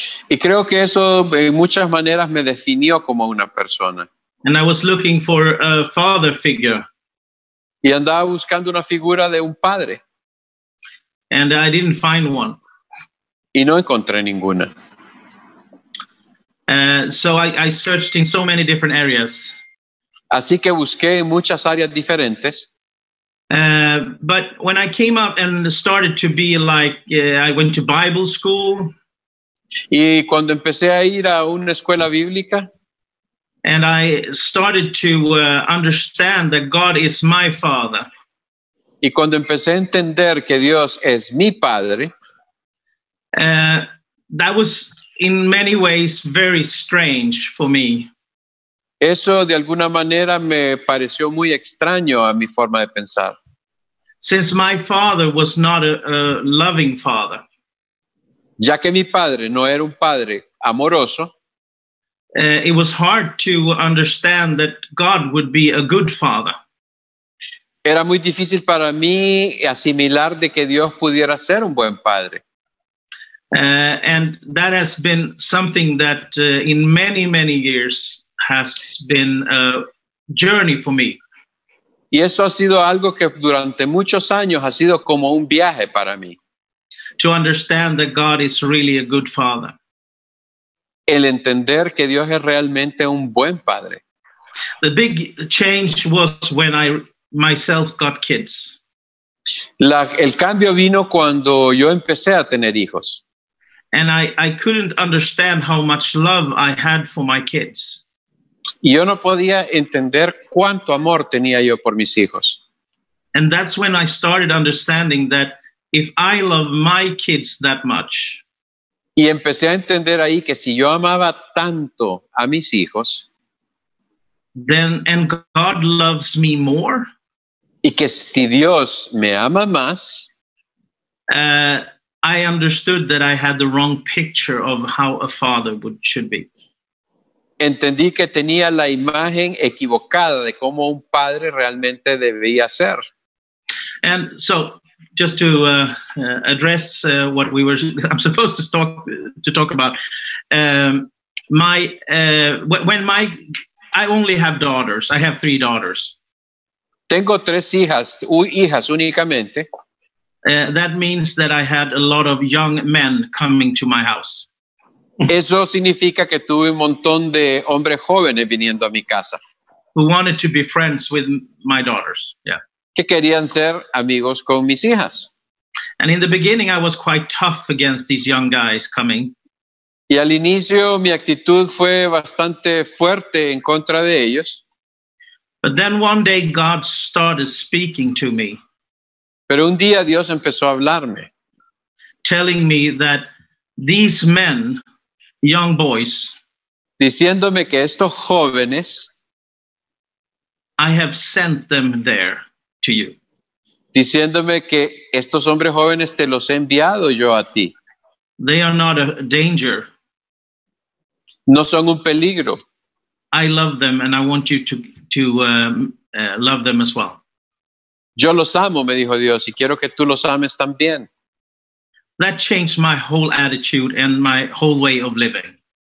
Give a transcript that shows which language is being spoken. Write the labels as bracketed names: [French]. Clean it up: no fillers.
[Spanish] Y creo que eso en muchas maneras me definió como una persona. [English] And I was looking for a father figure. [Spanish] Y andaba buscando una figura de un padre. [English] And I didn't find one. [Spanish] Y no encontré ninguna. [English] So I searched in so many different areas. [Spanish] Así que busqué en muchas áreas diferentes. [English] But when I came up and started to be like, I went to Bible school. [Spanish] Y cuando empecé a ir a una escuela bíblica. [English] And I started to understand that God is my father. [Spanish] Y cuando empecé a entender que Dios es mi padre. [English] That was in many ways very strange for me. [Spanish] Eso de alguna manera me pareció muy extraño a mi forma de pensar. [English] Since my father was not a loving father. [Spanish] Ya que mi padre no era un padre amoroso. [English] It was hard to understand that God would be a good father. [Spanish] Era muy difícil para mí asimilar de que Dios pudiera ser un buen padre. [English] And that has been something that in many, many years has been a journey for me. [Spanish] Y eso ha sido algo que durante muchos años ha sido como un viaje para mí. [English] To understand that God is really a good father. [Spanish] El entender que Dios es realmente un buen padre. [English] The big change was when I myself got kids. [Spanish] El cambio vino cuando yo empecé a tener hijos. [English] And I couldn't understand how much love I had for my kids. [Spanish] Y yo no podía entender cuánto amor tenía yo por mis hijos. [English] And that's when I started understanding that if I love my kids that much. [Spanish] Y empecé a entender ahí que si yo amaba tanto a mis hijos. [English] Then, and God loves me more. [Spanish] Y que si Dios me ama más. [English] I understood that I had the wrong picture of how a father should be. [Spanish] Entendí que tenía la imagen equivocada de cómo un padre realmente debía ser. [English] And so, just to address what we were, I'm supposed to talk about. I only have daughters. I have three daughters. [Spanish] Tengo tres hijas únicamente. [English] That means that I had a lot of young men coming to my house. [Spanish] Eso significa que tuve un montón de hombres jóvenes viniendo a mi casa. [English] Who wanted to be friends with my daughters. Yeah. [Spanish] Que querían ser amigos con mis hijas. [English] And in the beginning I was quite tough against these young guys coming. [Spanish] Y al inicio mi actitud fue bastante fuerte en contra de ellos. [English] But then one day God started speaking to me. [Spanish] Pero un día Dios empezó a hablarme. [English] Telling me that these men, young boys, [Spanish] diciéndome que estos jóvenes, [English] I have sent them there to you. [Spanish] diciéndome que estos hombres jóvenes te los he enviado yo a ti. [English] They are not a danger. [Spanish] No son un peligro. [English] I love them and I want you to love them as well. [Spanish] Yo los amo, me dijo Dios, y quiero que tú los ames también. [English] That changed my whole attitude and my whole way of living.